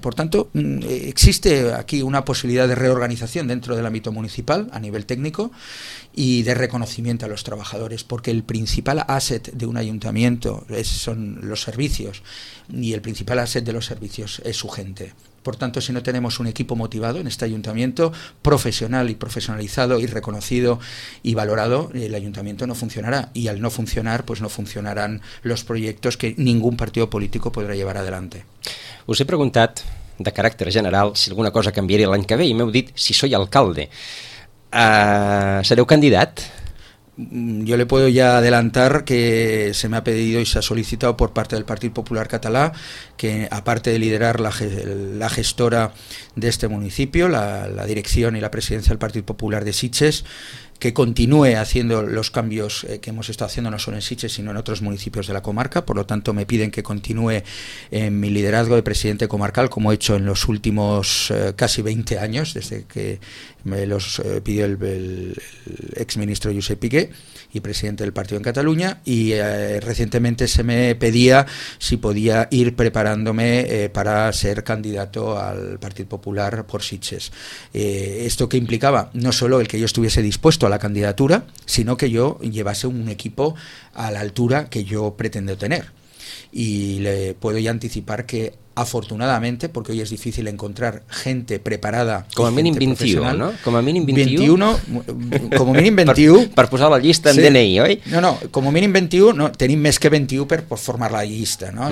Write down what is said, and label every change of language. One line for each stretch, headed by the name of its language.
Spanish: Por tanto, existe aquí una posibilidad de reorganización dentro del ámbito municipal a nivel técnico y de reconocimiento a los trabajadores, porque el principal asset de un ayuntamiento son los servicios y el principal asset de los servicios es su gente. Por tanto, si no tenemos un equipo motivado en este ayuntamiento, profesional y profesionalizado y reconocido y valorado, el ayuntamiento no funcionará. Y al no funcionar, pues no funcionarán los proyectos que ningún partido político podrá llevar adelante.
Catalan: Us he preguntat, de caràcter general, si alguna cosa canviaria l'any que ve, i m'heu dit si
Spanish: soy alcalde.
Catalan: ¿Sereu candidat?
Spanish: Yo le puedo ya adelantar que se me ha pedido y se ha solicitado por parte del Partido Popular Catalá que, aparte de liderar la gestora de este municipio, la dirección y la presidencia del Partido Popular de Sitges, que continúe haciendo los cambios que hemos estado haciendo no solo en Sitges sino en otros municipios de la comarca. Por lo tanto, me piden que continúe en mi liderazgo de presidente comarcal, como he hecho en los últimos casi 20 años, desde que me los pidió el exministro Josep Piqué y presidente del partido en Cataluña. Y recientemente se me pedía si podía ir preparándome para ser candidato al Partido Popular por Sitges. Esto que implicaba no solo el que yo estuviese dispuesto a la candidatura, sino que yo llevase un equipo a la altura que yo pretendo tener. y le puedo ya anticipar que afortunadamente, porque hoy es difícil encontrar gente preparada.
Catalan: Com a mínim 21, no? Com a mínim 21. Com a mínim 21. per posar la llista en sí. DNI, oi? No, no, com a mínim 21, no, tenim més que 21 per formar la llista, no?